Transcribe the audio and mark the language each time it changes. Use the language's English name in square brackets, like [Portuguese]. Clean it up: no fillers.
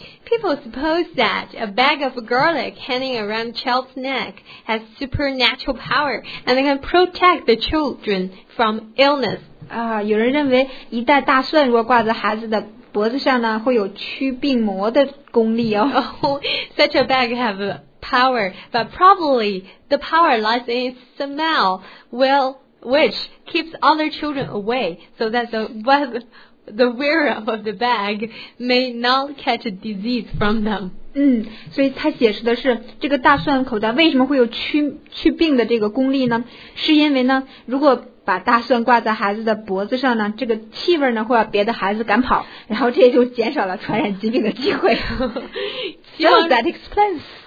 [English] People suppose that a bag of garlic hanging around child's neck has supernatural power and can protect the children from illness. [Chinese] 啊、有人认为一袋大蒜如果挂在孩子的脖子上呢会有驱病魔的功力哦。 [English] Oh, such a bag have power, but probably the power lies in its smell. Well,which keeps other children away so that the wearer of the bag may not catch a disease from them. [Chinese] 嗯，所以他解释的是这个大蒜口袋为什么会有驱病的这个功力呢？是因为呢，如果把大蒜挂在孩子的脖子上呢，这个气味呢会把别的孩子赶跑，然后这就减少了传染疾病的机会。 [English] So that explains.